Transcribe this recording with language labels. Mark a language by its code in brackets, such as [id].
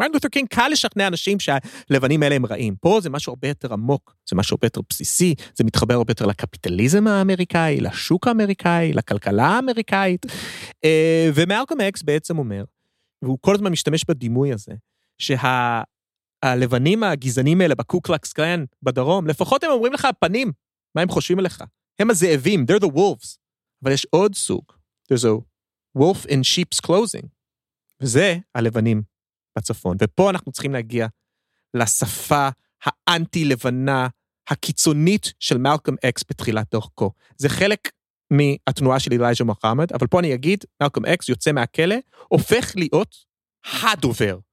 [he] מרטין לותר קינג קל לשכנע אנשים שהלבנים האלה הם רעים. פה זה משהו הרבה יותר עמוק, זה משהו הרבה יותר בסיסי, זה מתחבר הרבה יותר לקפיטליזם האמריקאי, לשוק האמריקאי, לכלכלה האמריקאית. ומלקום אקס בעצם אומר, והוא כל הזמן משתמש בדימוי הזה, הלבנים הגזענים האלה בקוקלקס קלן בדרום, לפחות הם אומרים לך הפנים, מה הם חושבים עליך? הם הזאבים, [en] they're the wolves. [he] אבל יש עוד סוג, [en] there's a wolf in sheep's clothing. [he] וזה הלבנים בצפון. ופה אנחנו צריכים להגיע לשפה האנטי-לבנה, הקיצונית של מלקום אקס בתחילת דרכו. זה חלק מהתנועה של אלייג'ה מוחמד, אבל פה אני אגיד, מלקום אקס יוצא מהכלא, הופך להיות הדובר.